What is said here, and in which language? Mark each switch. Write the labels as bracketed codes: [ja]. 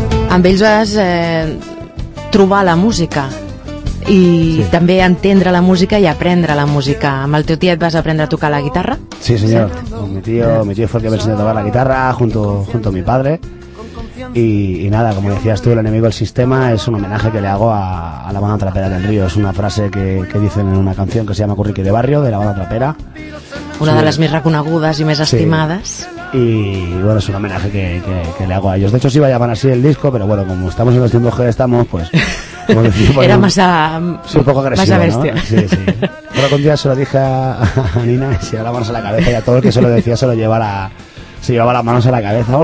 [ca] Amb ells vas trobar la música i sí, també entendre la música i aprendre la música. Amb el teu tiet vas aprendre a tocar la guitarra? Sí, senyor. Sí. [es] Mi tío fue el que me enseñó a tocar la guitarra junto a mi padre. Y nada, como decías tú, el enemigo del sistema es un homenaje que le hago a la banda trapera del río. Es una frase que dicen en una canción que se llama Curriqui de Barrio, de la banda trapera. [ca] Una de les més reconegudes i més estimades. Sí. [es] Y bueno, es un homenaje que le hago a ellos. De hecho, sí va a llamar así el disco, pero bueno, como estamos en los tiempos que estamos, pues... Era más a... Sí, un poco agresivo, más a bestia, ¿no? Sí, sí. Pero un día se lo dije a Nina, y se la manos a la cabeza, y a todo el que se lo decía se llevaba las manos a la cabeza.